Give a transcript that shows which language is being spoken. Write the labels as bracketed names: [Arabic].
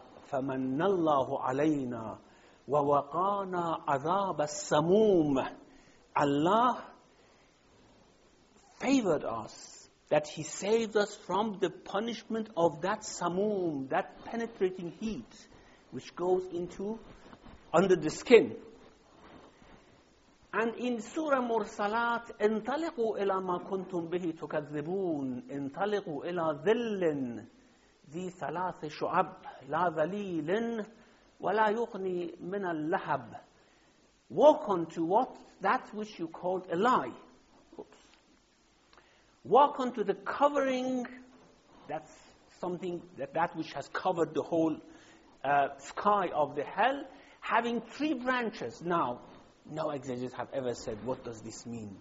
[Arabic] فَمَنَّ اللَّهُ عَلَيْنَا وَوَقَانَا عَذَابَ السَّمُومِ. [English] Allah favored us, that He saved us from the punishment of that samum, that penetrating heat, which goes into under the skin. And in Surah Mursalat, [Arabic] انطلقوا إلى ما كنتم به تكذبون انطلقوا إلى ظل ذي ثلاث شعب لا ظليل ولا يغني من اللهب. [English] Walk on to what? That which you called a lie. Oops. Walk on to the covering, that's something, that which has covered the whole sky of the hell, having three branches. Now, no exegetes have ever said, what does this mean?